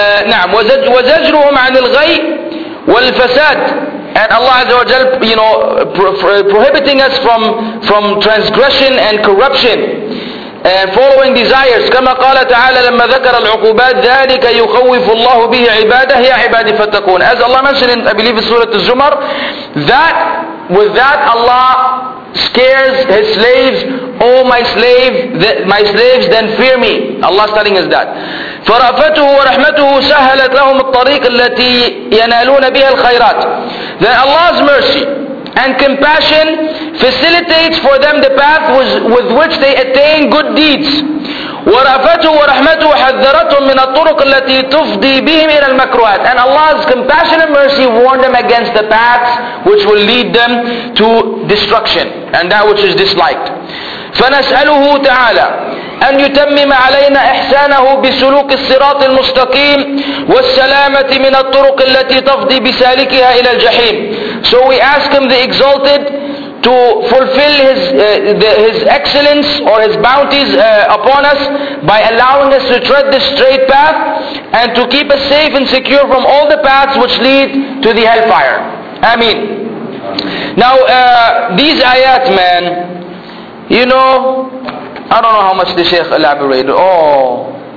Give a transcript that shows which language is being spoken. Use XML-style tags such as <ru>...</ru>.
<ar>نعم وزجرهم عن الغي والفساد.</ar> <en>And Allah Azza wa Jal, you know, prohibiting us from transgression and corruption and following desires.</en> <ar>كما قال تعالى لما ذكر العقوبات ذلك يخوف الله به عباده يا عبادي فتكون.</ar> <en>As Allah mentioned in, I believe, Surah Az-Zumar, that with that Allah scares his slaves. Oh my slave, my slaves, then fear me. Allah is telling us that.</en> <ar>فرأفته ورحمته سهلت لهم الطريق التي ينالون بها الخيرات.</ar> <en>Then Allah's mercy and compassion facilitates for them the path with which they attain good deeds.</en> <ar>ورأفته ورحمته حذرتهم من الطرق التي تفضي بهم إلى المكروهات.</ar> <en>And Allah's compassion and mercy warned them against the paths which will lead them to destruction and that which is disliked.</en> <ar>فنسأله تعالى أن يتمم علينا إحسانه بسلوك الصراط المستقيم والسلامة من الطرق التي تفضي بسالكها إلى الجحيم.</ar> <en>So we ask him, the exalted, to fulfill his excellence or his bounties upon us by allowing us to tread this straight path and to keep us safe and secure from all the paths which lead to the hellfire. Ameen. Now these ayat, man, you know, I don't know how much the Shaykh elaborated. Oh.</en>